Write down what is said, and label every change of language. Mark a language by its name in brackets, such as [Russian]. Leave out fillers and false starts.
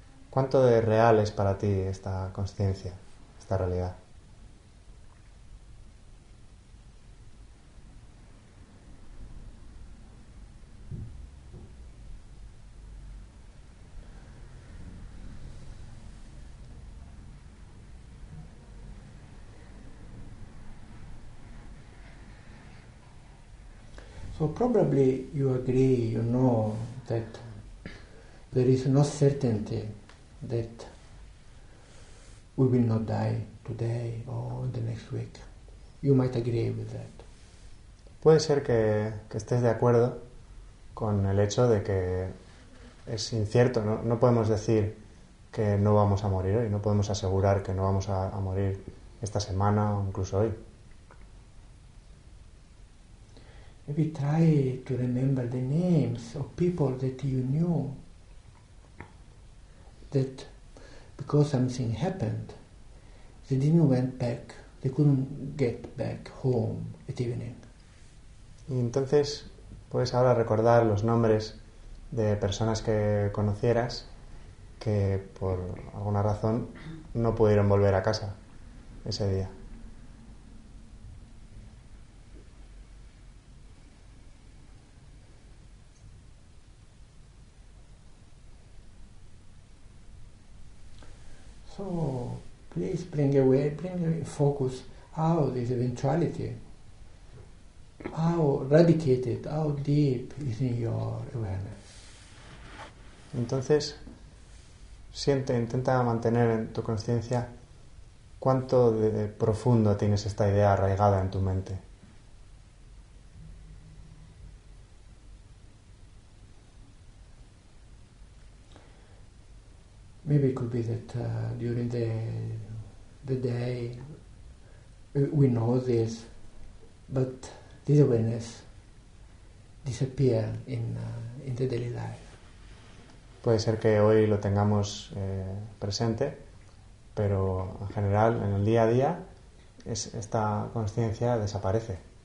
[Spanish] ¿Cuánto de real es para ti esta consciencia, esta realidad? [English] So probably you agree, you know, that there is no certainty that we will not die today or the next week. You might agree with that. [Spanish] Puede ser que estés de acuerdo con el hecho de que es incierto, ¿no? No podemos decir que no vamos a morir hoy, no podemos asegurar que no vamos a morir esta semana o incluso hoy. [English] Maybe try to remember the names of people that you knew that because something happened, they didn't went back, they couldn't get back home at evening. [Spanish] Y entonces puedes ahora recordar los nombres de personas que conocieras que por alguna razón no pudieron volver a casa ese día. [English] So please bring focus how this eventuality How radicated, how deep is in your awareness? [Spanish] Entonces, siente, intenta mantener en tu conciencia cuánto de profundo tienes esta idea arraigada en tu mente. [English] Maybe it could be that during the day we know this, but this awareness disappears in the daily life. [Spanish] Puede ser que hoy lo tengamos presente, pero en general, en el día a día, esta conciencia desaparece.